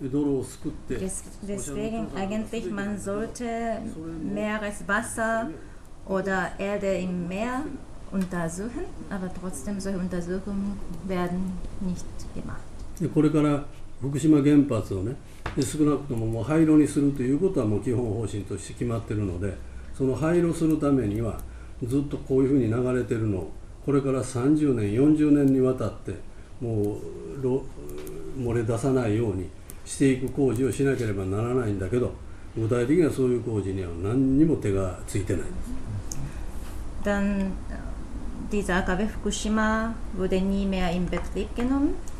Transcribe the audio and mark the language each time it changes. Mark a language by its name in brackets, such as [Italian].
[Japanese] で、先ほどのね、健康調査と同じでね、そのすぐ近くの海やその海の底の泥をすくって、deswegen [German] eigentlich man sollte Meereswasser oder Erde im Meer untersuchen, aber trotzdem solche Untersuchungen werden nicht gemacht. [Japanese] これから福島原発をね、少なくとももう廃炉にするということはもう基本方針として決まってるので、その廃炉するためには ずっとこういうふうに流れてるのを、これから30年、40年にわたって、もう漏れ出さないようにしていく工事をしなければならないんだけど、具体的にはそういう工事には何にも手がついてない。 [German] dann dieser AKW Fukushima wurde nie mehr in Betrieb genommen.